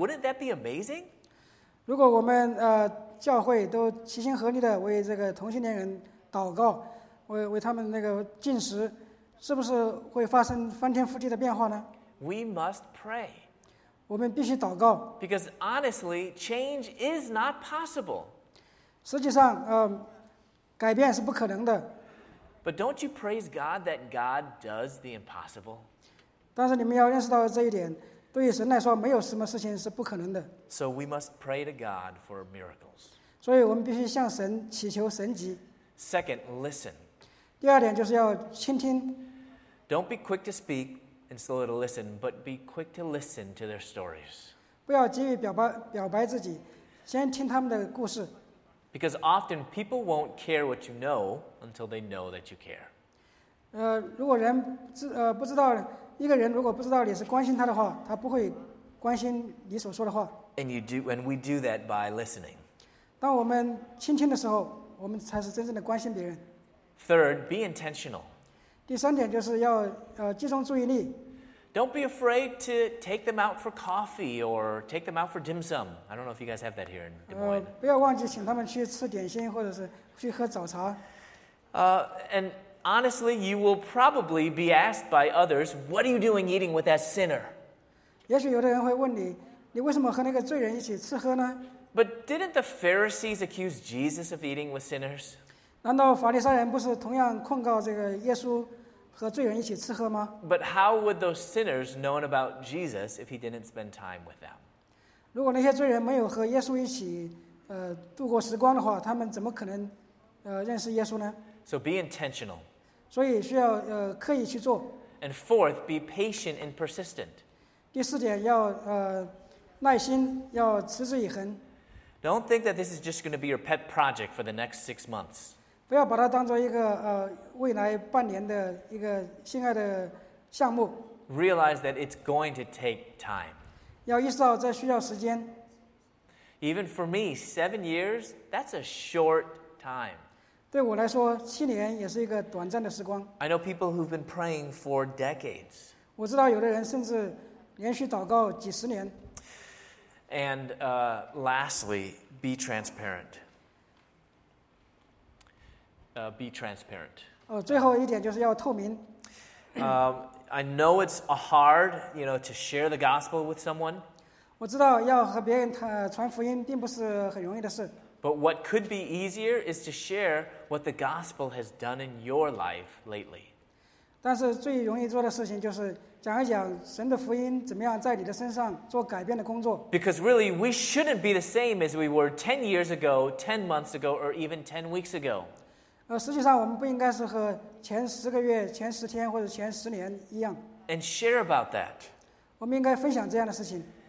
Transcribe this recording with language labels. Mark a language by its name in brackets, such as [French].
[English] Wouldn't that be amazing? [Chinese] 如果我们教会都齐心合力的为这个同性恋人祷告，为他们那个禁食，是不是会发生翻天覆地的变化呢？ [English] We must pray. [Chinese] 我们必须祷告。 [English] Because honestly, change is not possible. [Chinese] 实际上，改变是不可能的。 [English] But don't you praise God that God does the impossible? [Chinese] 但是你们要认识到这一点，对于神来说，没有什么事情是不可能的。 [English] So we must pray to God for miracles. [Chinese] 所以我们必须向神祈求神迹。 [English] Second, listen. [Chinese] 第二点就是要倾听。 [English] Don't be quick to speak and slow to listen, but be quick to listen to their stories. [Chinese] 不要急于表白自己，先听他们的故事。 [English] Because often people won't care what you know until they know that you care. [Chinese] 如果人不知道一个人如果不知道你是关心他的话，他不会关心你所说的话。 [English] And you do, when we do that by listening. [Chinese] 当我们倾听的时候，我们才是真正的关心别人。 [English] Third, be intentional. [Chinese] 第三点就是要集中注意力。 [English] Don't be afraid to take them out for coffee or take them out for dim sum. I don't know if you guys have that here in Des Moines. [Chinese] 不要忘记请他们去吃点心或者是去喝早茶。 [English] And honestly, you will probably be asked by others, what are you doing eating with that sinner? [Chinese] 也许有的人会问你，你为什么和那个罪人一起吃喝呢？ [English] But didn't the Pharisees accuse Jesus of eating with sinners? [Chinese] 难道法利赛人不是同样控告这个耶稣和罪人一起吃喝吗？ [English] But how would those sinners known about Jesus if he didn't spend time with them? [Chinese] 如果那些罪人没有和耶稣一起度过时光的话，他们怎么可能认识耶稣呢？ [English] So be intentional. [Chinese] 所以需要刻意去做。 [English] And fourth, be patient and persistent. [Chinese] 第四点要耐心，要持之以恒。 [English] Don't think that this is just going to be your pet project for the next 6 months. [Chinese] 不要把它当作一个未来半年的一个心爱的项目。 [English] Realize that it's going to take time. [Chinese] 要意识到这需要时间。 [English] Even for me, 7 years, that's a short time. [Chinese] 对我来说，七年也是一个短暂的时光。 [English] I know people who've been praying for decades. [Chinese] 我知道有的人甚至连续祷告几十年。 [English] And lastly, be transparent. Be transparent. [Chinese] 最后一点就是要透明。 [English] I know it's hard, you know, to share the gospel with someone. [Chinese] 我知道要和别人传福音并不是很容易的事。 [English] But what could be easier is to share what the gospel has done in your life lately. [Chinese] 但是最容易做的事情就是讲一讲神的福音怎么样在你的身上做改变的工作。 [English] Because really, we shouldn't be the same as we were 10 years ago, 10 months ago, or even 10 weeks ago. [Chinese] 实际上我们不应该是和前十个月、前十天或者前十年一样。 [English] And share about that. [Chinese] 我们应该分享这样的事情。